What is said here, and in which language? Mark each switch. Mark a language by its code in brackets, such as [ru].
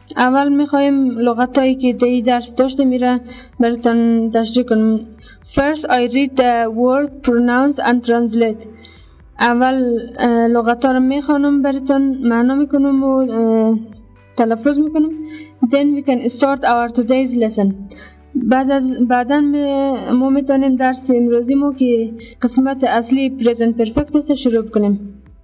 [fa] اول میخواییم لغتایی که در این درس داشته میره براتون تشریح کنم. [en] First, I read the word, pronounce, and translate. [fa] اول لغت‌ها رو می‌خونم براتون معنا می‌کنم و تلفظ می‌کنم. [en] Then we can start our today's lesson. [fa] بعدن ما می‌تونیم درس امروزی مو که قسمت اصلی present perfect است شروع کنیم.